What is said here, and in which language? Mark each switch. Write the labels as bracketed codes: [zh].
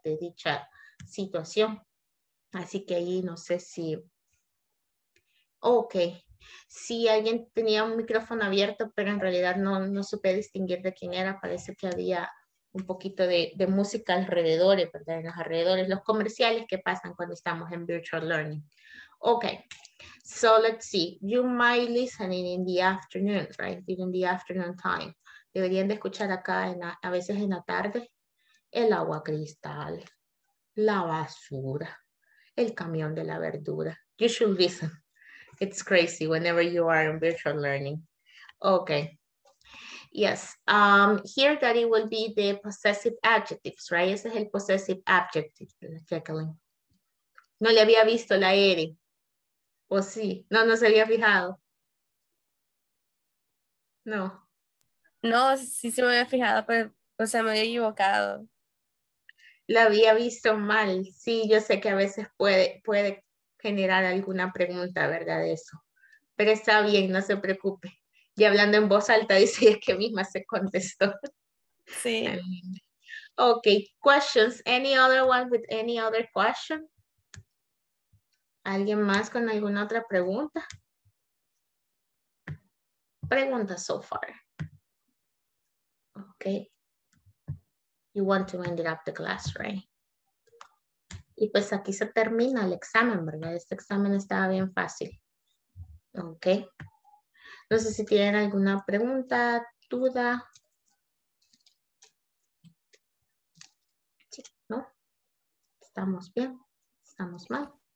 [es] De dicha situación. Así que ahí no sé si, ok, si alguien tenía un micrófono abierto, pero en realidad no supe distinguir de quién era, parece que había un poquito de música alrededor, ¿verdad? En los alrededores, los comerciales que pasan cuando estamos en [en] virtual learning. Ok, so let's see, you might listen in the afternoon, right, during the afternoon time. [es] Deberían de escuchar acá a veces en la tarde, el agua cristal, la basura. El camión de la verdura. [en] You should listen. It's crazy whenever you are in virtual learning. Okay. Yes. Here that it will be the possessive adjectives, right? [es] Ese es el possessive adjective, Jacqueline. No le había visto la R. O sí. No, no se había fijado. No. No, sí se me había fijado, pero, o sea, me había equivocado. La había visto mal. Sí, yo sé que a veces puede generar alguna pregunta, ¿verdad? Eso. Pero está bien, no se preocupe. Y hablando en voz alta, dice que misma se contestó. Sí. [en] Ok, questions. Any other one with any other question? [es] ¿Alguien más con alguna otra pregunta? [en] Pregunta so far. Ok. You want to end it up the class, right? [es] Y pues aquí se termina el examen, ¿verdad? Este examen estaba bien fácil. Ok. No sé si tienen alguna pregunta, duda. Sí, ¿no? ¿Estamos bien? ¿Estamos mal?